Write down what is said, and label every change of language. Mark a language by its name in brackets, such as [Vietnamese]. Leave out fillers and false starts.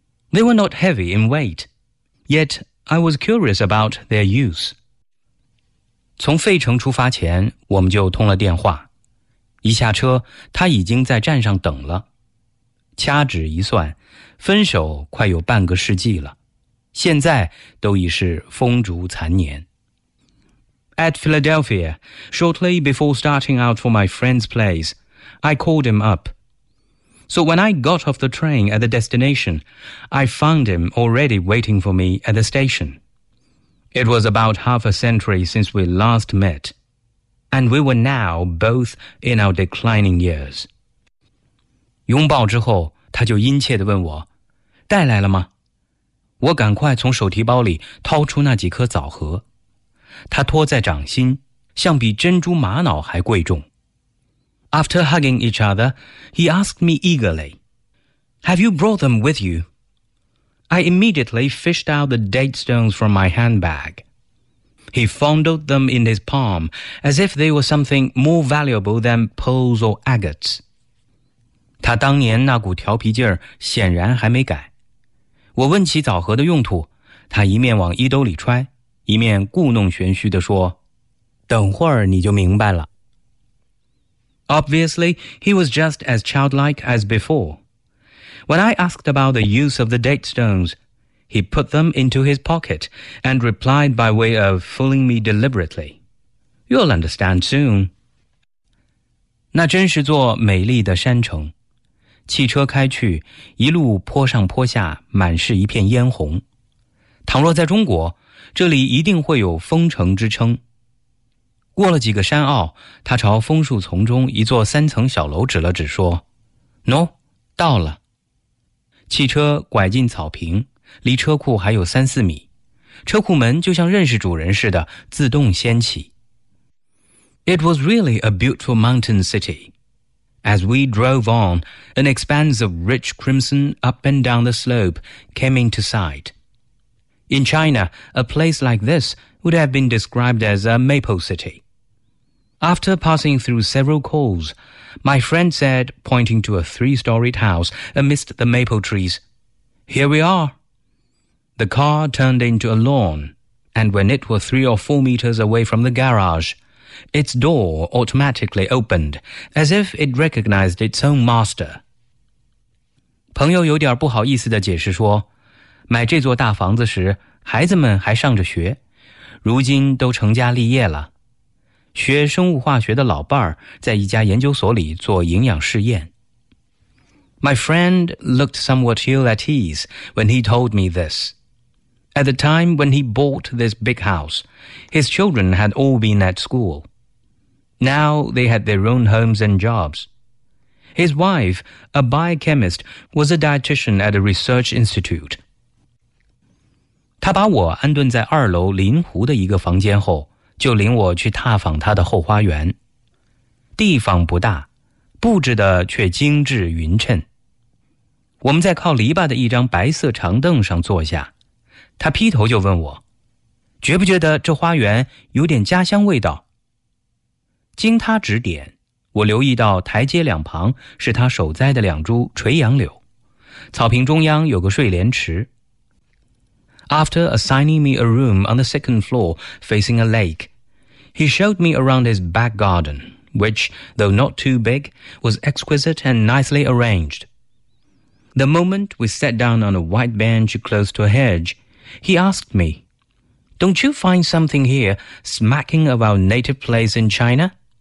[English] They were not heavy in weight, yet I was curious about their use. [Chinese] 从费城出发前，我们就通了电话。一下车，他已经在站上等了。掐指一算，分手快有半个世纪了，现在都已是风烛残年。 [English] At Philadelphia, shortly before starting out for my friend's place, I called him up. So when I got off the train at the destination, I found him already waiting for me at the station. It was about half a century since we last met, and we were now both in our declining years. [Chinese] 拥抱之后，他就殷切地问我，带来了吗？我赶快从手提包里掏出那几颗枣核，他托在掌心，像比珍珠玛瑙还贵重。 [English] After hugging each other, he asked me eagerly, Have you brought them with you? I immediately fished out the date stones from my handbag. He fondled them in his palm, as if they were something more valuable than pearls or agates. [Chinese] 他当年那股调皮劲儿显然还没改。我问起枣核的用途，他一面往衣兜里揣，一面故弄玄虚地说，等会儿你就明白了。 [English] Obviously, he was just as childlike as before. When I asked about the use of the date stones, he put them into his pocket and replied by way of fooling me deliberately. You'll understand soon. [Chinese] 那真是座美丽的山城。汽车开去，一路坡上坡下，满是一片烟红。倘若在中国，这里一定会有风城之称。过了几个山坳，他朝枫树丛中一座三层小楼指了指，说 ：“No， 到了。” 汽车拐进草坪，离车库还有三四米，车库门就像认识主人似的，自动掀起。 [English] It was really a beautiful mountain city. As we drove on, an expanse of rich crimson up and down the slope came into sight. In China, a place like this would have been described as a maple city. After passing through several calls, my friend said, pointing to a three-storied house amidst the maple trees, Here we are. The car turned into a lawn, and when it was 3 or 4 meters away from the garage, its door automatically opened, as if it recognized its own master. [Chinese] 朋友有点不好意思地解释说，买这座大房子时，孩子们还上着学，如今都成家立业了。学生物化学的老伴儿在一家研究所里做营养试验。 [English] My friend looked somewhat ill at ease when he told me this. At the time when he bought this big house, his children had all been at school. Now they had their own homes and jobs. His wife, a biochemist, was a dietitian at a research institute. [Chinese] 他把我安顿在二楼临湖的一个房间后，就领我去踏访他的后花园。地方不大，布置的却精致匀称。我们在靠篱笆的一张白色长凳上坐下，他劈头就问我，觉不觉得这花园有点家乡味道？经他指点，我留意到台阶两旁是他守栽的两株垂杨柳，草坪中央有个睡莲池。 [English] After assigning me a room on the second floor facing a lake, he showed me around his back garden, which, though not too big, was exquisite and nicely arranged. The moment we sat down on a white bench close to a hedge, he asked me, Don't you find something here smacking of our native place in China?